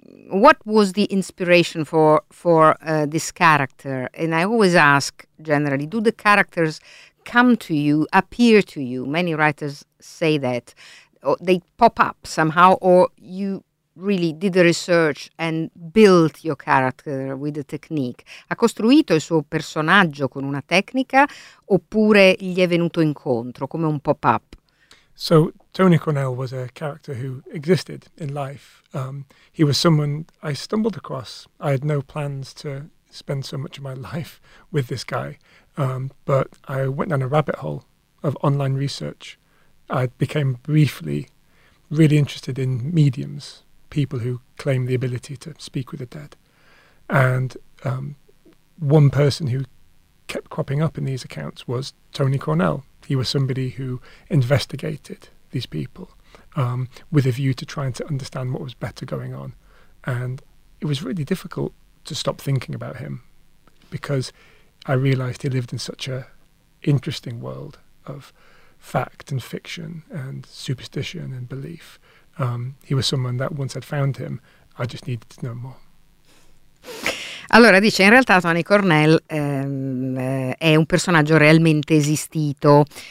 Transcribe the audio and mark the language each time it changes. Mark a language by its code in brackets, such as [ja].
[en] What was the inspiration for this character? And I always ask generally, do the characters come to you, appear to you? Many writers say that, or they pop up somehow, or you really did the research and built your character with the technique. [it] Ha costruito il suo personaggio con una tecnica, oppure gli è venuto incontro come un pop-up? [en] So Tony Cornell was a character who existed in life. He was someone I stumbled across. I had no plans to spend so much of my life with this guy, but I went down a rabbit hole of online research. I became briefly really interested in mediums, people who claim the ability to speak with the dead. And one person who kept cropping up in these accounts was Tony Cornell. He was somebody who investigated these people with a view to trying to understand what was better going on. And it was really difficult to stop thinking about him, because I realized he lived in such an interesting world of fact and fiction and superstition and belief. He was someone that once had found him, I just needed to know more. [it] Allora dice, in realtà Tony Cornell è un personaggio realmente esistito.